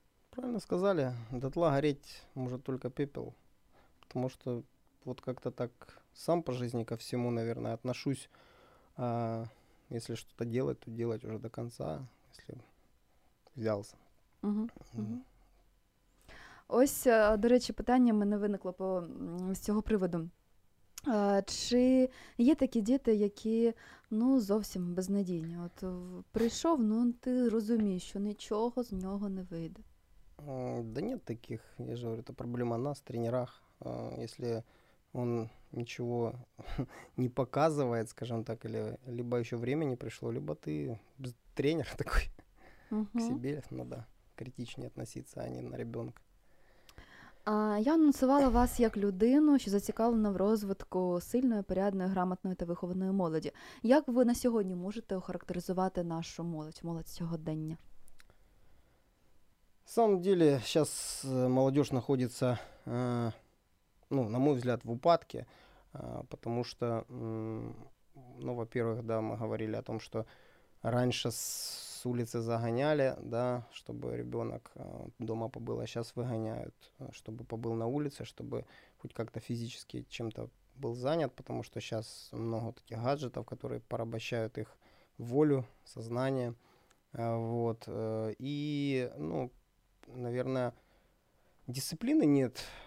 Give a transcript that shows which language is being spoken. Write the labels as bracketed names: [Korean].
[Russian] Правильно сказали. Дотла гореть может только пепел. Потому что вот как-то так сам по жизни ко всему, наверное, отношусь. А если что-то делать, то делать уже до конца, если взялся. [Ukrainian] Ось, до речі, питання мене виникло по з цього приводу. Чи є такі діти, які, ну, зовсім безнадійні? От прийшов, ну, ти розумієш, що нічого з нього не вийде. [Russian] Да нет таких, я же говорю, это проблема нас, тренерах. Если он ничего не показывает, скажем так, или либо еще время не пришло, либо ты тренер такой к себе, надо критичнее относиться, а не на ребенка. [Ukrainian] Я анонсувала вас як людину, що зацікавлена в розвитку сильної, порядної, грамотної та вихованої молоді. Як ви на сьогодні можете охарактеризувати нашу молодь, молодь сьогодення? [Russian] На самом деле, сейчас молодежь находится, ну, на мой взгляд, в упадке, потому что, ну, во-первых, да, мы говорили о том, что раньше с улицы загоняли, да, чтобы ребенок дома побыл, а сейчас выгоняют, чтобы побыл на улице, чтобы хоть как-то физически чем-то был занят, потому что сейчас много таких гаджетов, которые порабощают их волю, сознание, вот, и, ну, наверное, дисциплины нет.